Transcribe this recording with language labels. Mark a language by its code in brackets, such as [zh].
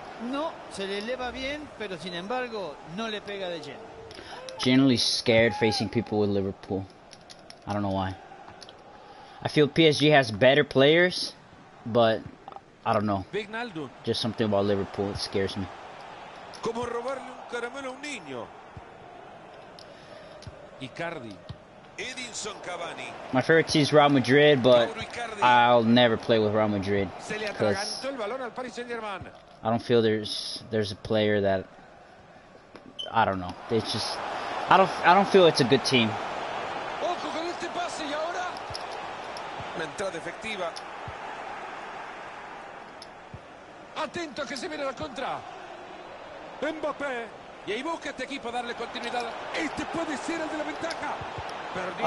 [es] No, se le eleva bien, pero sin embargo, no le pega de lleno. [en] Generally scared facing people with Liverpool. I don't know why. I feel PSG has better players, but I don't know. Vignaldo. Just something about Liverpool that scares me. [es] Como robarle un caramelo a un niño. Icardi. Edinson Cavani. [en] My favorite team is Real Madrid, but I'll never play with Real Madrid. [es] Se le atragantó el balón al Paris Saint-Germain. [en] I don't feel there's a player that, I don't know. It's just, I don't feel it's a good team. [es] Ojo con este pase y ahora. Una entrada efectiva. Atento que se viene la contra. Mbappé. Y ahí busca este equipo darle continuidad. Este puede ser el de la ventaja. Perdió